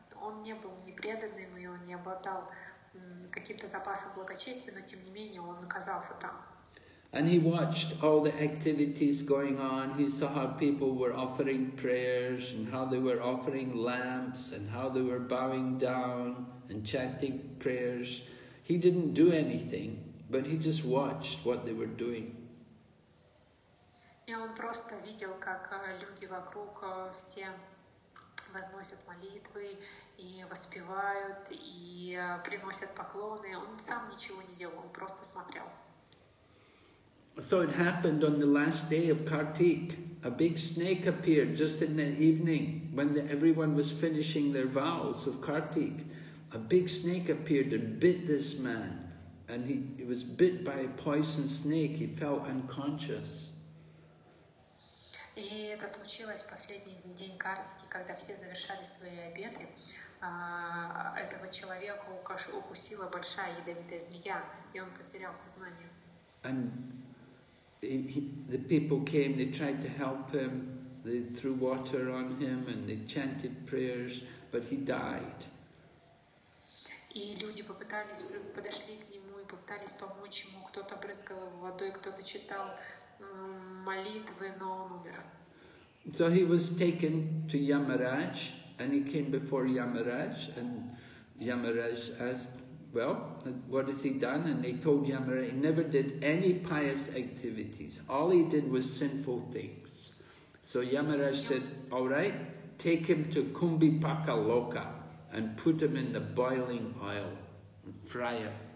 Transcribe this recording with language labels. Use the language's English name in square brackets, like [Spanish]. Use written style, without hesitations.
[Russian] Он не был ни преданным, и он не обладал каким-то запасом благочестия, но тем не менее он оказался там. [English] And he watched all the activities going on. He saw how people were offering prayers, and how they were offering lamps, and how they were bowing down and chanting prayers. He didn't do anything, but he just watched what they were doing. [Russian] И он просто видел, как люди вокруг все возносят молитвы и воспевают и приносят поклоны. Он сам ничего не делал, он просто смотрел. [English] So it happened on the last day of Kartik. A big snake appeared just in the evening when everyone was finishing their vows of Kartik. A big snake appeared and bit this man, and he was bit by a poison snake. He fell unconscious. [Russian] И это случилось последний день Картики, когда все завершали свои обеты. Этого человека укусила большая ядовитая змея, и он потерял сознание. [English] And the people came, they tried to help him, they threw water on him and they chanted prayers, but he died. [Russian] И люди подошли к нему и попытались помочь ему. Кто-то брызгал его водой, кто-то читал молитвы, но он умер. [English] So he was taken to Yamaraj, and he came before Yamaraj, and Yamaraj asked, well, what has he done? And they told Yamaraj, he never did any pious activities. All he did was sinful things. So Yamaraj said, all right, take him to Kumbhipaka Loka and put him in the boiling oil and fry him.